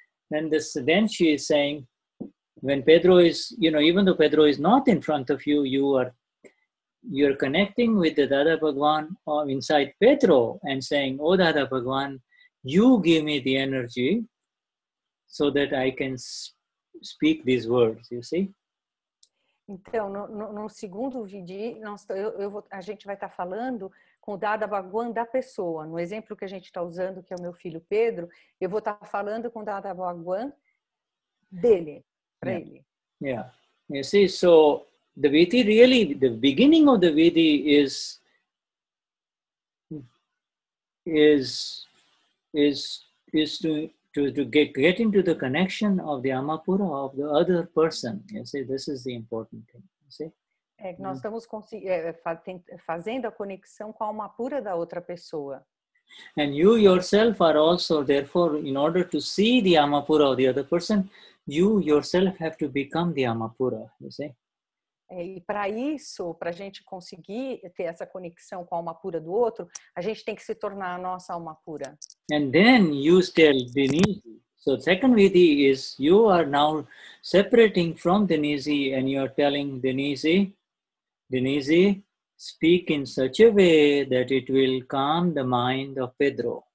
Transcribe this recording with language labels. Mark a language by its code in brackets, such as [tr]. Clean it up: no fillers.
[en] And then she is saying, when Pedro is, you know, even though Pedro is not in front of you, you're connecting with the Dada Bhagwan inside Pedro and saying, oh Dada Bhagwan, you give me the energy so that I can speak these words, you see? [pt] Então, no segundo vídeo, a gente vai estar falando com o Dada Bhagwan da pessoa. No exemplo que a gente está usando, que é o meu filho Pedro, eu vou estar falando com o Dada Bhagwan dele, para ele. [en] Yeah. You see, so the Vidhi really, the beginning of the Vidhi is to get into the connection of the Amapura of the other person. You see, this is the important thing. You see? [pt] É, nós estamos fazendo a conexão com a Amapura da outra pessoa. [en] And you yourself are also, therefore, in order to see the Amapura of the other person, you yourself have to become the Amapura. You see? [pt] É, e para isso, para a gente conseguir ter essa conexão com a alma pura do outro, a gente tem que se tornar a nossa alma pura. [en] And then you tell Denise. So second vidhi is you are now separating from Denise and you are telling Denise, speak in such a way that it will calm the mind of Pedro.